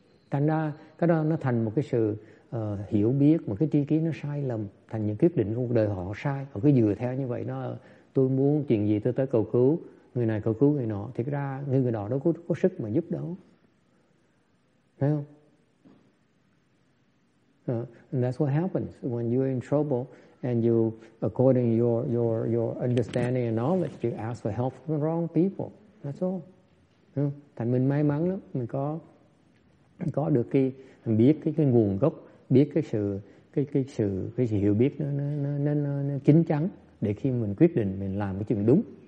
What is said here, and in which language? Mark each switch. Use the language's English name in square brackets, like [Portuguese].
[Vietnamese] Thành ra cái đó nó thành một cái sự hiểu biết, một cái tri kiến nó sai lầm, thành những quyết định của cuộc đời họ sai, họ cứ dựa theo như vậy. Nó tôi muốn chuyện gì tôi tới cầu cứu người này cầu cứu người nọ, thiệt ra người đó đâu có sức mà giúp đâu, phải không? [English] And that's what happens when you're in trouble and you, according your understanding and knowledge, you ask for help from the wrong people. That's all. [Vietnamese] Thành mình may mắn lắm, mình có được cái biết cái nguồn gốc, biết cái sự hiểu biết nó chín chắn để khi mình quyết định mình làm cái chuyện đúng.